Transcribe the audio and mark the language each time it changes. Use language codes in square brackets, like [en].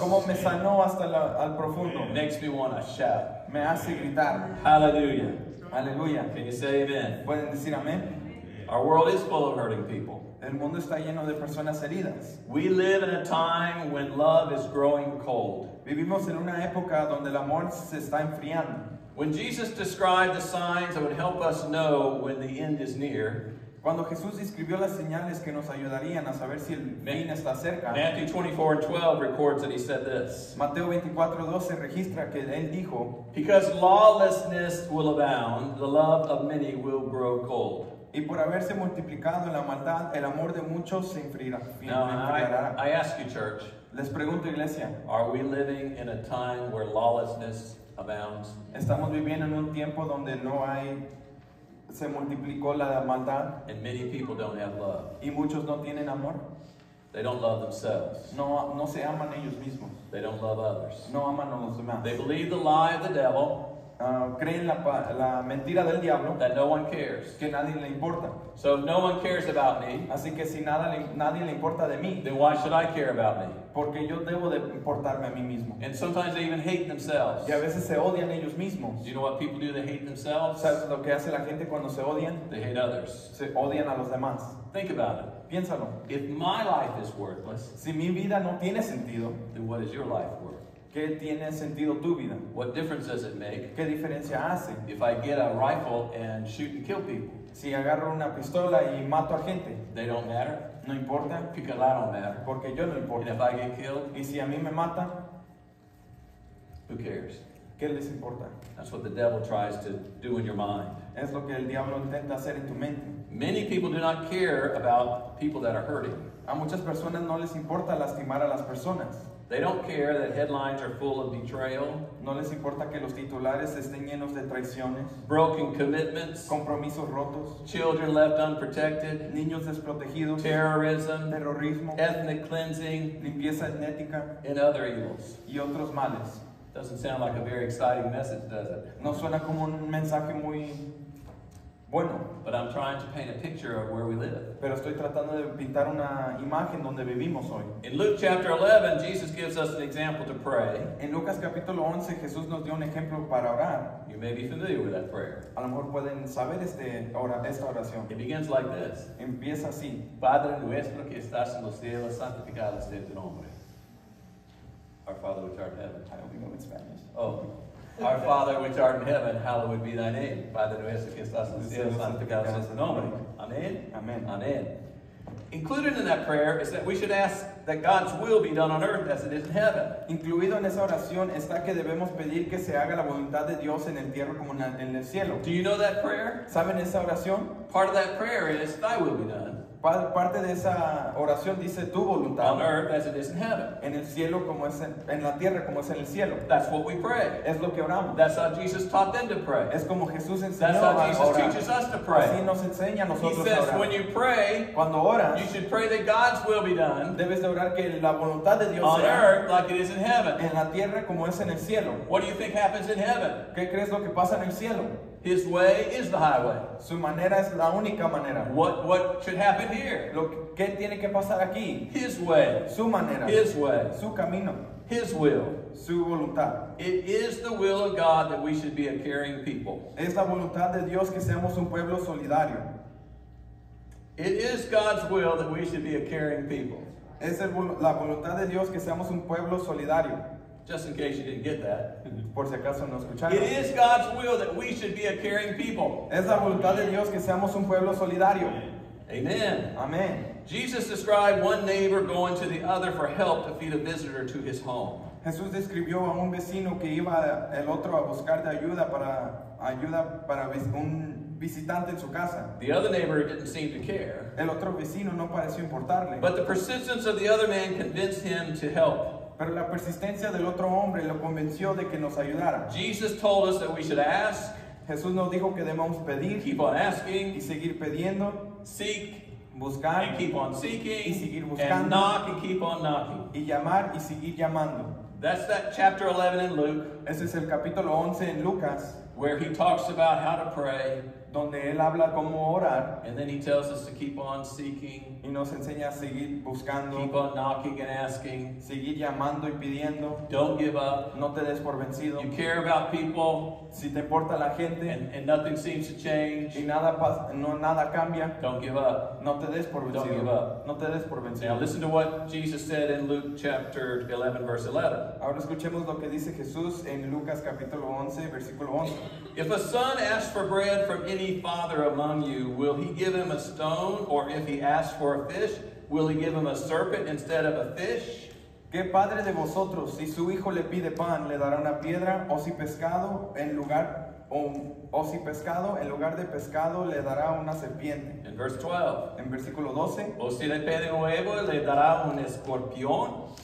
[es] cómo me sanó hasta al profundo, [en] it makes me want to shout. [es] Me hace gritar. [en] Hallelujah. [es] Aleluya. [en] Can you say amen? [es] ¿Pueden decir amén? [en] Our world is full of hurting people. [es] El mundo está lleno de personas heridas. [en] We live in a time when love is growing cold. [es] Vivimos en una época donde el amor se está enfriando. [en] When Jesus described the signs that would help us know when the end is near, [es] cuando Jesús describió las señales que nos ayudarían a saber si el fin está cerca, [en] Matthew 24:12 records that he said this. [es] Mateo 24:12 registra que él dijo, [en] because lawlessness will abound, the love of many will grow cold. [es] Y por haberse multiplicado la maldad, el amor de muchos se enfriará. [en] I ask you, church. [es] Les pregunto, iglesia. [en] Are we living in a time where lawlessness abounds? [es] Estamos viviendo en un tiempo donde no hay, se multiplicó la maldad. [en] And many people don't have love. [es] Y muchos no tienen amor. [en] They don't love themselves. [es] No se aman ellos mismos. [en] They don't love others. [es] No aman a los demás. [en] They believe the lie of the devil. [es] Creen la mentira del diablo, [en] that no one cares, [es] que nadie le importa. [en] So if no one cares about me, [es] así que si nadie le importa de mí, [en] then why should I care about me? [es] Porque yo debo de importarme a mí mismo. [en] And sometimes they even hate themselves. [es] Y a veces se odian ellos mismos. [en] Do you know what people do that hate themselves? [es] ¿Sabes lo que hace la gente cuando se odian? [en] They hate others. [es] Se odian a los demás. [en] Think about it. [es] Piénsalo. [en] If my life is worthless, [es] si mi vida no tiene sentido, [en] then what is your life worth? [es] ¿Qué tiene sentido tu vida? [en] What difference does it make? [es] ¿Qué diferencia hace? [en] If I get a rifle and shoot and kill people, [es] si agarro una pistola y mato a gente, [en] they don't matter. [es] No importa. [en] Because I don't matter. [es] Porque yo no importo. [en] And if I get killed, [es] y si a mí me mata, [en] who cares? [es] ¿Qué les importa? [en] That's what the devil tries to do in your mind. [es] Es lo que el diablo intenta hacer en tu mente. [en] Many people do not care about people that are hurting. [es] A muchas personas no les importa lastimar a las personas. [en] They don't care that headlines are full of betrayal. [es] No les importa que los titulares estén llenos de traiciones. [en] Broken commitments. [es] Compromisos rotos. [en] Children left unprotected. [es] Niños desprotegidos. [en] Terrorism. [es] Terrorismo. [en] Ethnic cleansing. [es] Limpieza étnica. [en] And other evils. [es] Y otros males. [en] Doesn't sound like a very exciting message, does it? [es] No suena como un mensaje muy bueno. [en] But I'm trying to paint a picture of where we live. [es] Pero estoy tratando de pintar una imagen donde vivimos hoy. [en] In Luke chapter 11, Jesus gives us an example to pray. [es] En Lucas capítulo 11, Jesús nos dio un ejemplo para orar. [en] You may be familiar with that prayer. [es] A lo mejor pueden saber esta oración. [en] It begins like this. [es] Empieza así. Padre nuestro que estás en los cielos, santificado sea tu nombre. [en] Our Father which art in heaven. I don't know in Spanish. Oh. Our Father which art in heaven, hallowed be thy name. [es] Padre nuestro que estás en el cielo, santificado sea tu nombre. [en] Amen. [es] Amen. [en] Amen. Included in that prayer is that we should ask that God's will be done on earth as it is in heaven. [es] Incluido en esa oración está que debemos pedir que se haga la voluntad de Dios en el tierra como en el cielo. [en] Do you know that prayer? [es] ¿Saben esa oración? [en] Part of that prayer is thy will be done. [es] Parte de esa oración dice tu voluntad. [en] On earth as it is in heaven. [es] En el cielo como es en la tierra como es en el cielo. [en] That's what we pray. [es] Es lo que oramos. [en] That's how Jesus taught them to pray. [es] Es como Jesús enseñó a orar. [en] That's how Jesus teaches us to pray. [es] Así nos enseña a nosotros a orar. [en] He says when you pray, [es] cuando oras, [en] you should pray that God's will be done. [es] Debes de orar que la voluntad de Dios sea. [en] On earth like it is in heaven. [es] En la tierra como es en el cielo. [en] What do you think happens in heaven? [es] ¿Qué crees lo que pasa en el cielo? [en] His way is the highway. [es] Su manera es la única manera. [en] What should happen here? [es] Lo que tiene que pasar aquí. [en] His way. [es] Su manera. [en] His way. [es] Su camino. [en] His will. [es] Su voluntad. [en] It is the will of God that we should be a caring people. [es] Es la voluntad de Dios que seamos un pueblo solidario. [en] It is God's will that we should be a caring people. [es] Es la voluntad de Dios que seamos un pueblo solidario. [en] Just in case you didn't get that. [es] Por si acaso no escucharon. [en] It is God's will that we should be a caring people. [es] Es la voluntad de Dios que seamos un pueblo solidario. [en] Amen. [es] Amen. [en] Jesus described one neighbor going to the other for help to feed a visitor to his home. [es] Jesús describió a un vecino que iba el otro a buscar de ayuda para un visitante en su casa. [en] The other neighbor didn't seem to care. [es] El otro vecino no pareció importarle. [en] But the persistence of the other man convinced him to help. [es] Pero la persistencia del otro hombre lo convenció de que nos ayudara. [en] Jesus told us that we should ask. [es] Jesús nos dijo que debemos pedir. [en] Keep on asking. [es] Y seguir pidiendo. [en] Seek. [es] Buscar. [en] And keep on seeking. [es] Y seguir buscando. [en] And knock and keep on knocking. [es] Y llamar y seguir llamando. [en] That's that chapter 11 in Luke. [es] Ese es el capítulo 11 en Lucas. [en] Where he talks about how to pray. [es] Donde él habla cómo orar. [en] And then he tells us to keep on seeking. [es] Y nos enseña a seguir buscando. [en] Keep on knocking and asking. [es] Seguir llamando y pidiendo. [en] Don't give up. [es] No te des por vencido. [en] You care about people. [es] Si te importa la gente. [en] And nothing seems to change. [es] Y nada cambia. [en] Don't give up. [es] No te des por vencido. [en] Don't give up. [es] No te des por vencido. [en] Now listen to what Jesus said in Luke chapter 11, verse 11. [es] Ahora escuchemos lo que dice Jesús en Lucas capítulo 11, versículo 11. [en] If a son asks for bread from any father among you, will he give him a stone? Or if he asks for a fish, will he give him a serpent instead of a fish? [es] ¿Qué padre de vosotros, si su hijo le pide pan, le dará una piedra? ¿O si pescado en lugar de pescado le dará una serpiente? [en] In verse 12. [es] En versículo 12. ¿O si le pide un huevo, le dará un escorpión?